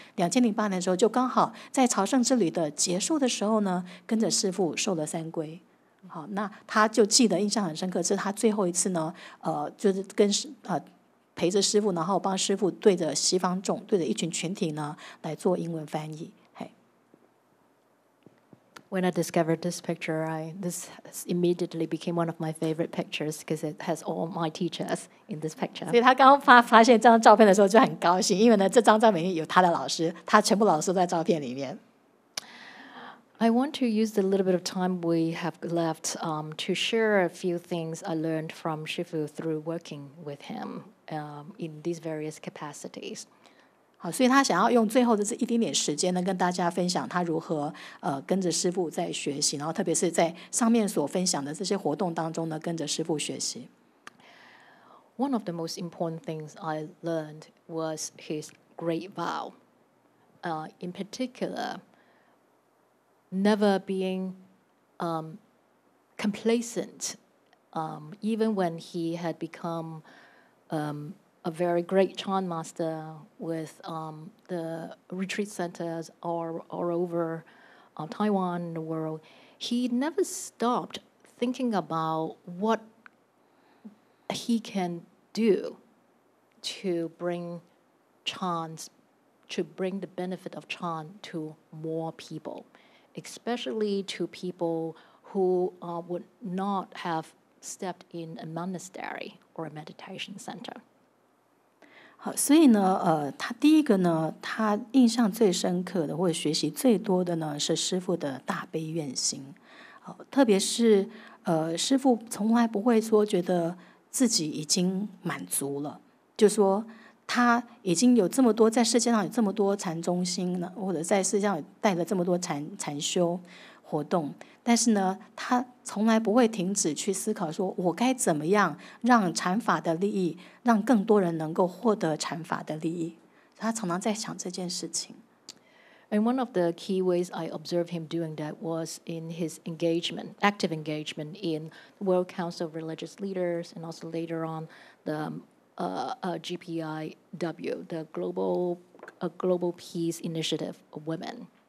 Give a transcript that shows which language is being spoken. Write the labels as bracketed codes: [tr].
[zh] 2008年的时候，就刚好在朝圣之旅的结束的时候呢，跟着师父受了三皈。好，那他就记得印象很深刻，是他最后一次呢，就是跟陪着师父，然后帮师父对着西方众，对着一群群体呢来做英文翻译。 [en] When I discovered this picture, this immediately became one of my favorite pictures because it has all my teachers in this picture. [zh] 所以他刚发现这张照片的时候就很高兴，因为呢这张照片有他的老师，他全部老师都在照片里面。 [en] I want to use the little bit of time we have left to share a few things I learned from Shifu through working with him in these various capacities. [zh] 好，所以他想要用最后的这一点点时间呢，跟大家分享他如何跟着师父在学习，然后特别是在上面所分享的这些活动当中呢，跟着师父学习。 [en] One of the most important things I learned was his great vow. In particular, never being complacent, even when he had become a very great Chan master with the retreat centers all over Taiwan and the world, he never stopped thinking about what he can do to bring the benefit of Chan to more people, especially to people who would not have stepped in a monastery or a meditation center. [zh] 好，所以呢，他第一个呢，他印象最深刻的或者学习最多的呢，是师父的大悲愿心。好，特别是师父从来不会说觉得自己已经满足了，就说他已经有这么多在世界上有这么多禅中心了，或者在世界上带了这么多禅修活动，但是呢，他从来不会停止去思考说我该怎么样让禅法的利益，让更多人能够获得禅法的利益，他常常在想这件事情。 [en] And one of the key ways I observed him doing that was in his engagement, active engagement in the World Council of Religious Leaders and also later on theGPIW, the Global Peace Initiative of Women.